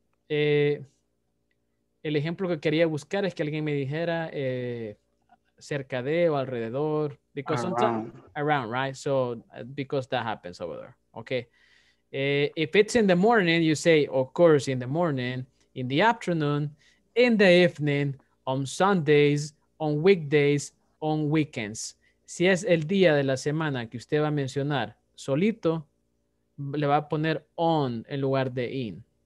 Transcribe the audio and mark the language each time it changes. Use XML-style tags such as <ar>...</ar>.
<es>El ejemplo que quería buscar es que alguien me dijera cerca de o alrededor.</es> <en>Because around, right? So because that happens over there. Okay. If it's in the morning, you say, of course, in the morning, in the afternoon, in the evening, on Sundays, on weekdays, on weekends.</en> <es>Si es el día de la semana que usted va a mencionar solito, le va a poner on en lugar de in.</es>